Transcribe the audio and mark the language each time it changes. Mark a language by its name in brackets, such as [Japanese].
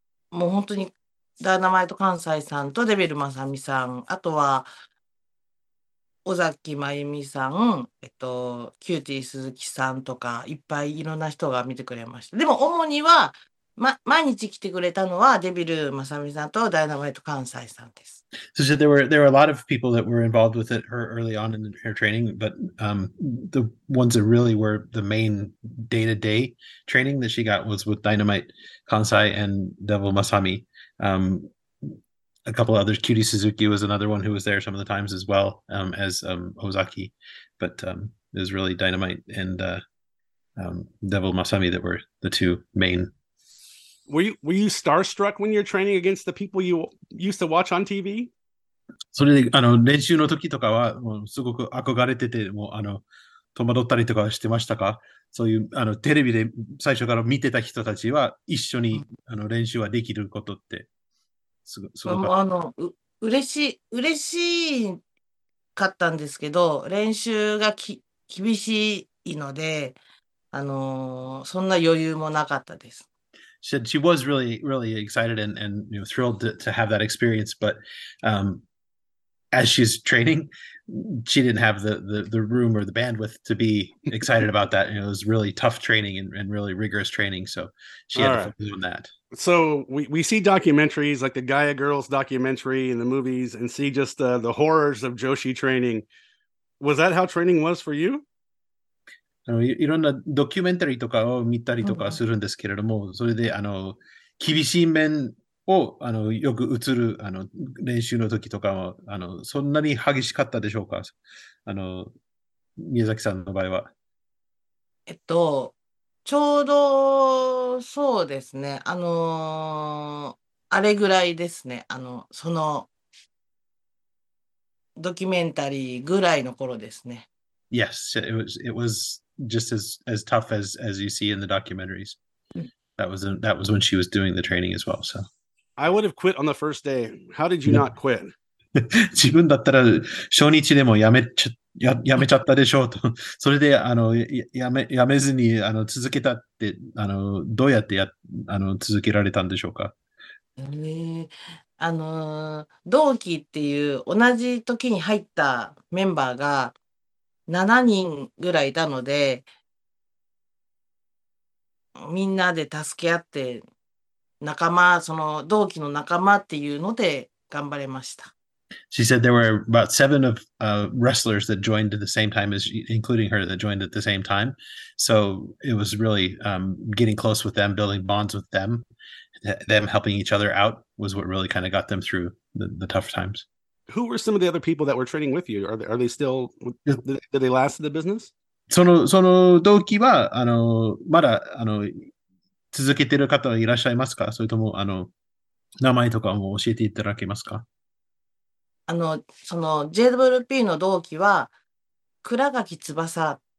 [Japanese] もう本当にダイナマイト関西さんとデビル雅美さん、あとは尾崎真由美さん、キューティー鈴木さんとかいっぱいいろんな人が見てくれました。でも主には、毎日来てくれたのはデビル雅美さんとダイナマイト関西さんです。 [English] So there were a lot of people that were involved with it her early on in her training, but the ones that really were the main day-to-day training that she got was with Dynamite Kansai and Devil Masami. A couple of others, Cutie Suzuki was another one who was there some of the times as well as Ozaki, but it was really Dynamite and Devil Masami that were the two main. Were you starstruck when you're training against the people you used to watch on TV? [Japanese] それで、練習の時とかは、もうすごく憧れてて、もう戸惑ったりとかしてましたか？そういう、テレビで最初から見てた人たちは、一緒に、練習はできることって、すごかった。嬉しかったんですけど、練習が厳しいので、そんな余裕もなかったです。 [English] She was really, really excited and thrilled to have that experience, but, as she's training, she didn't have the room or the bandwidth to be excited about that. And it was really tough training and really rigorous training. So she had All to right. focus on that. So we see documentaries like the Gaia Girls documentary and the movies and see just the horrors of Joshi training. Was that how training was for you? [Japanese] いろんなドキュメンタリーとかを見たりとかするんですけれども、それで厳しい面をよく映る練習の時とかは、そんなに激しかったでしょうか？宮崎さんの場合は。ちょうどそうですね。あれぐらいですね。そのドキュメンタリーぐらいの頃ですね。 [English] Yes, it was just as tough as you see in the documentaries. That was when she was doing the training as well, so. I would have quit on the first day. How did you Yeah. not quit? [Japanese] 自分だったら初日でもやめちゃやめちゃったでしょうと。それで、やめずに、続けたって、どうやってや、続けられたんでしょうか。同期っていう同じ時に入ったメンバーが7人ぐらいいたので、みんなで助け合って仲間、その同期の仲間っていうので頑張れました。 [English] She said there were about seven of wrestlers that joined at the same time as you, including her, that joined at the same time. So it was really getting close with them, building bonds with them, them helping each other out was what really kind of got them through the tough times. Who were some of the other people that were training with you? Are they still, did they last in the business? [Japanese] その同期は、まだ続けてる方はいらっしゃいますか？それとも名前とかも教えていただけますか？その JWP の同期は、倉垣翼。